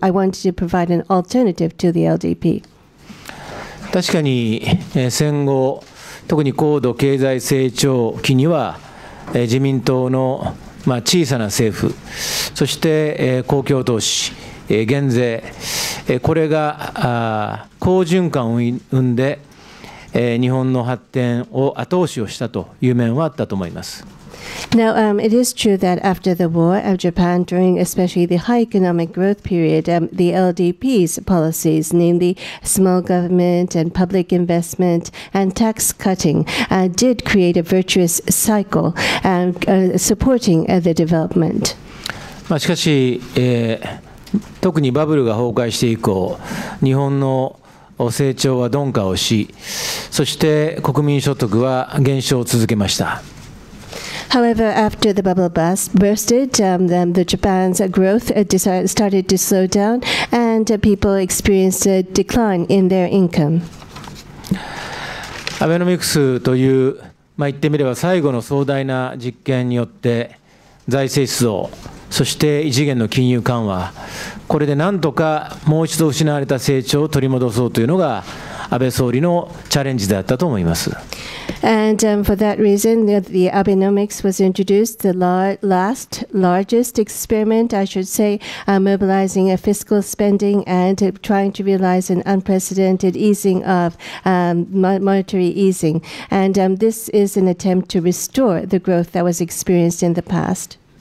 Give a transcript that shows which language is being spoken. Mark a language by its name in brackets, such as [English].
[English] I wanted to provide an alternative to the LDP. [Japanese] 確かに、戦後特に高度経済成長期には、自民党の、まあ、小さな政府、そして、公共投資、減税、これが好循環を生んで、日本の発展を後押しをしたという面はあったと思います。 [English] Now, it is true that after the war of Japan, during especially the high economic growth period, the LDP's policies, namely small government and public investment and tax cutting, did create a virtuous cycle supporting the development. [Japanese] まあ、しかし、特にバブルが崩壊して以降、日本の成長は鈍化をし、そして国民所得は減少を続けました。 [English] However, after the bubble bursted, then the Japan's growth started to slow down, and people experienced a decline in their income. [Japanese] アベノミクスという、まあ、言ってみれば最後の壮大な実験によって財政出動、そして異次元の金融緩和、これでなんとかもう一度失われた成長を取り戻そうというのが安倍総理のチャレンジだったと思います。 [English] And for that reason, the Abenomics was introduced, the last largest experiment, I should say, mobilizing a fiscal spending and trying to realize an unprecedented easing of monetary easing. And this is an attempt to restore the growth that was experienced in the past.